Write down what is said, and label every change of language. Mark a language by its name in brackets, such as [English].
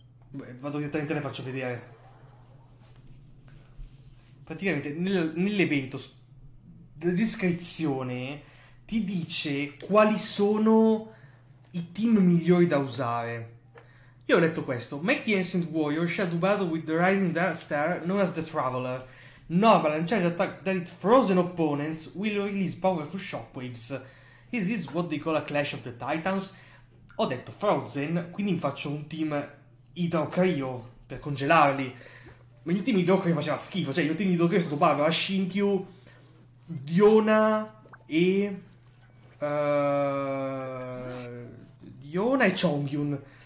[Italian] Beh, vado direttamente e le faccio vedere. Praticamente nell'evento, la descrizione ti dice quali sono i team migliori da usare. Io ho letto questo. [English] Make the Ancient Warrior shall do battle with the Rising Star known as the Traveler. Normal and charged attack that its frozen opponents will release powerful shockwaves. Is this what they call a clash of the Titans? [Italian] Ho detto Frozen, quindi mi faccio un team Idrocryo per congelarli. Ma il team di Idrocryo faceva schifo, cioè il team di Idrocryo è stato Barbara, Shinkyu, Diona e. Diona e Chongyun.